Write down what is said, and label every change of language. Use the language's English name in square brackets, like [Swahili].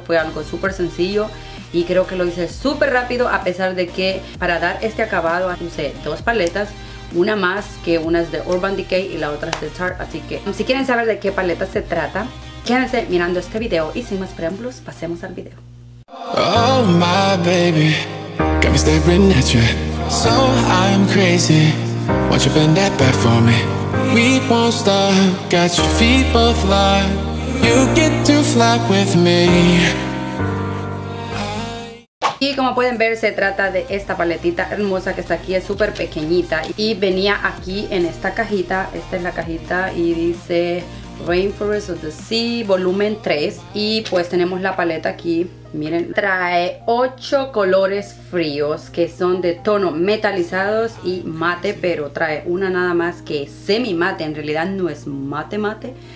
[Spanish] Fue algo súper sencillo y creo que lo hice súper rápido, a pesar de que para dar este acabado usé dos paletas, una más que una es de Urban Decay y la otra es de Tarte. Así que si quieren saber de qué paleta se trata, quédense mirando este video y sin más preámbulos pasemos al video. [English] Oh my baby, got me staring at you, so I'm crazy. Watch you bend that back for me. We won't stop, got your feet both locked. You get to fly with me. [Spanish] Y como pueden ver, se trata de esta paletita hermosa que está aquí, es súper pequeñita. Y venía aquí en esta cajita, esta es la cajita y dice Rainforest of the Sea volumen 3. Y pues tenemos la paleta aquí, miren. Trae 8 colores fríos que son de tono metalizados y mate, pero trae una nada más que semi mate, en realidad no es mate mate.